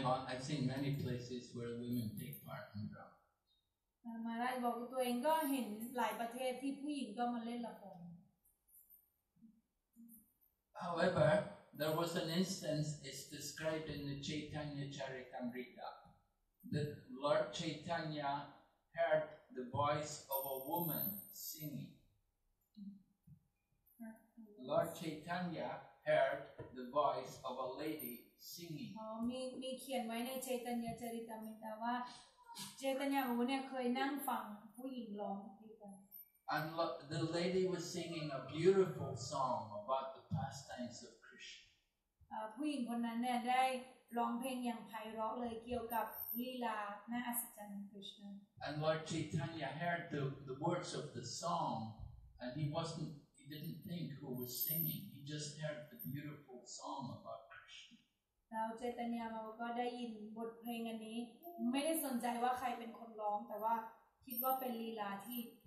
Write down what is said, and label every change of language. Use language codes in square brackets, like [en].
[en] I've seen many places where women take part in drama [th] มาได้บอกตัวเองก็เห็นหลายประเทศที่ผู้หญิงก็มาเล่นละคร [en] However there was an instance is described in the Chaitanya Charitamrita that Lord Chaitanya heard the voice of a woman singing. Lord Chaitanya heard the voice of a lady singing. [th] มีเขียนไว้ในเจตัญญาจริตมิตาว่าเจตัญญาหูเนี่ยเคยนั่งฟังผู้หญิงร้อง [en] And the lady was singing a beautiful song about the pastimes of Krishna. [th] ผู้หญิงคนนั้นเนี่ยได้ร้องเพลงอย่างไพเราะเลยเกี่ยวกับลีลาน่าอัศจรรย์ของ Krishna. [en] And Lord Chaitanya heard the words of the song, and he didn't think who was singing. He just heard the beautiful song about Krishna. [th] แล้วเจตัญญาก็ได้ยินบทเพลงอันนี้ไม่ได้สนใจว่าใครเป็นคนร้องแต่ว่าคิดว่าเป็นลีลาที่